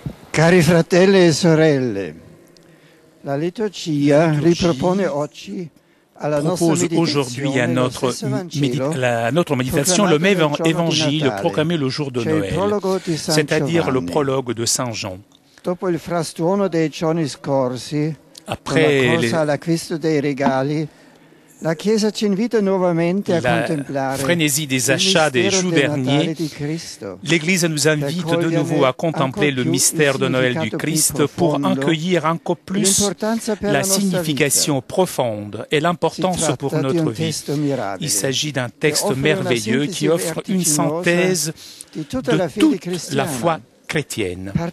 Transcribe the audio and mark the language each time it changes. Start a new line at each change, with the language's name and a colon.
Italian: Cari fratelli e sorelle, la liturgia ripropone oggi alla
French: propose aujourd'hui à notre, notre méditation le même évangile proclamé le jour de Noël, c'est-à-dire le prologue de Saint Jean.
Italian: Dopo il frastuono dei giorni scorsi,
French: après
Italian: la corsa all'acquisto dei regali, la Chiesa ci invita nuovamente a contemplare
French: la frenesia des achats des jours derniers. L'Église nous invite de nouveau à contempler le mystère de Noël du Christ pour en cueillir encore plus la signification profonde et l'importance pour notre vie. Il s'agit d'un texte merveilleux qui offre une synthèse de toute la foi chrétienne.